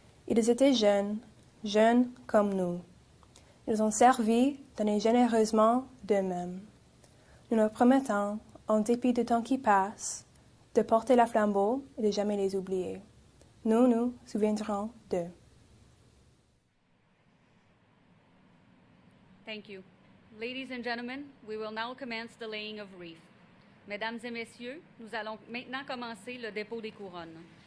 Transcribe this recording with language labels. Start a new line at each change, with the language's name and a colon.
French: Ils étaient jeunes, jeunes comme nous. Ils ont servi, donné généreusement d'eux-mêmes, nous leur promettant, en dépit du temps qui passe, de porter la flambeau et de jamais les oublier. Nous nous souviendrons d'eux.
English: Thank you. Ladies and gentlemen, we will now commence the laying of wreath.
French: Mesdames et messieurs, nous allons maintenant commencer le dépôt des couronnes.